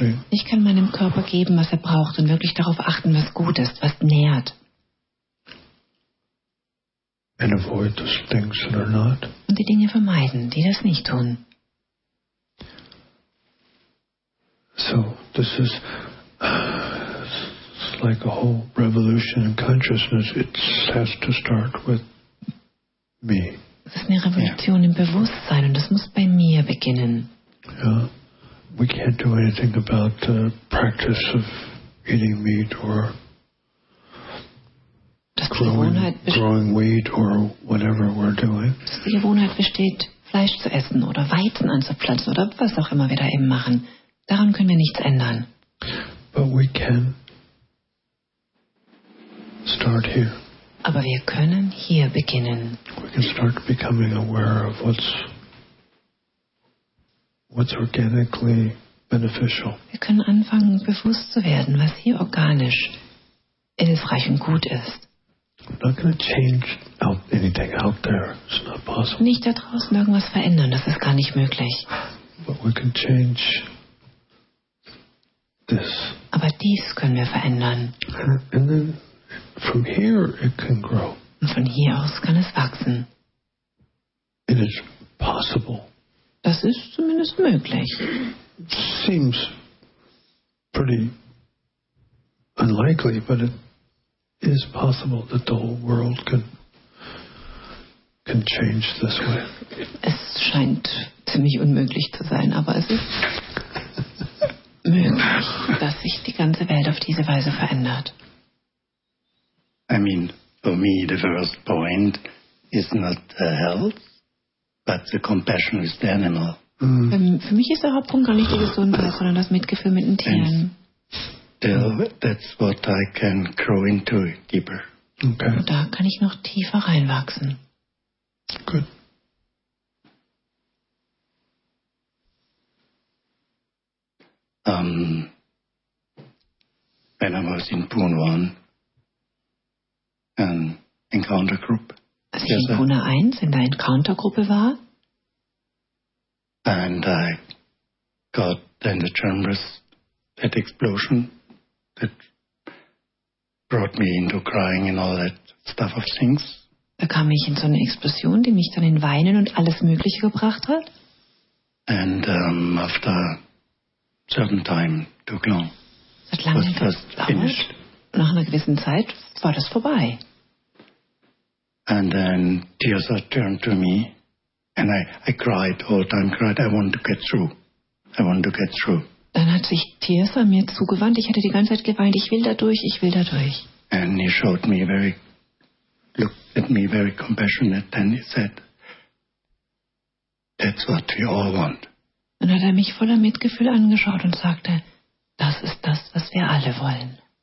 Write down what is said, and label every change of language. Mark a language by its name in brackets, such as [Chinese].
[German] Ich kann meinem Körper geben, was er braucht und wirklich darauf achten, was gut ist, was nährt. [English] And avoid those things that are not. [German] Und die Dinge vermeiden, die das nicht tun. [English] So, this is it's like a whole revolution in consciousness. It has to start with me. [German] Es ist eine Revolution im Bewusstsein und das muss bei mir beginnen. [English] Yeah. We can't do anything about the practice of eating meat or [German] ist die Gewohnheit [English] growing wheat or whatever we're doing. [German] Dass die Gewohnheit besteht, Fleisch zu essen oder Weizen anzupflanzen oder was auch immer wir da eben machen. Daran können wir nichts ändern. [English] But we can start here. [German] Aber wir können hier beginnen. [English] We can start becoming aware of what's organically beneficial. [German] Wir können anfangen, bewusst zu werden, was hier organisch hilfreich und gut ist. [English] I'm not going to change anything out there. It's not possible. [German] Nicht da draußen irgendwas verändern, das ist gar nicht möglich. [English] But we can change this. [German] Aber dies können wir verändern. [English] And then from here it can grow. [German] Und von hier aus kann es wachsen. [English] It is possible. [German] Das ist zumindest möglich. [English] Seems pretty unlikely, but it is possible that the whole world can change this way. [German] Es scheint ziemlich unmöglich zu sein, aber es ist möglich, dass sich die ganze Welt auf diese Weise verändert. [English] I mean, for me, the first point is not the health, but the compassion with the animal. [German] Für mich ist der Hauptpunkt gar nicht die Gesundheit, sondern das Mitgefühl mit den Tieren. [English] That's what I can grow into deeper. Okay. [German] Und da kann ich noch tiefer reinwachsen. [English] Good. When I was in Pune 1, an encounter group. [German] Als ich in Pune 1 in der Encounter-Gruppe war, [English] and I got in the chambers that explosion that brought me into crying and all that stuff of things. [German] Da kam ich in so eine Explosion, die mich dann in Weinen und alles Mögliche gebracht hat. [English] And after certain time took long. [German] Seit langem [English] was fast finished. [German] Nach einer gewissen Zeit war das vorbei. [English] And then Tiosa turned to me. And I cried all the time, cried, I want to get through. I want to get through. [German] Dann hat sich Tiersa mir zugewandt. Ich hatte die ganze Zeit geweint, ich will da durch, ich will da durch. [English] And he showed me very, looked at me very compassionate and he said, that's what we all want. [German] Dann hat er mich voller Mitgefühl angeschaut und sagte, das ist das, was wir alle wollen.